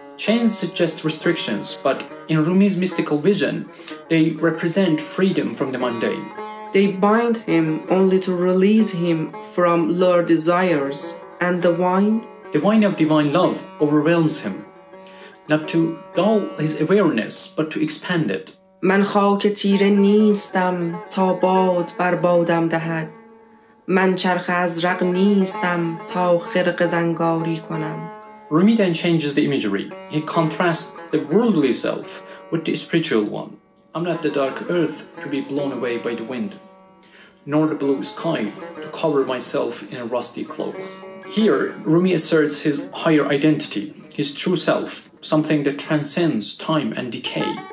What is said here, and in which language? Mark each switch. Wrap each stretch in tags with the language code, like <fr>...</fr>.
<en>Chains suggest restrictions, but in Rumi's mystical vision, they represent freedom from the mundane. They bind him only to release him from lower desires, and the wine? The wine of divine love overwhelms him, not to dull his awareness, but to expand it.</en> <fa>من خاک تیره نیستم تا باد بر بادم دهد. من چرخ ازرق نیستم تا خرق زنگاری کنم.</fa> <en>Rumi then changes the imagery. He contrasts the worldly self with the spiritual one. I'm not the dark earth to be blown away by the wind, nor the blue sky to cover myself in rusty clothes. Here, Rumi asserts his higher identity, his true self, something that transcends time and decay.</en>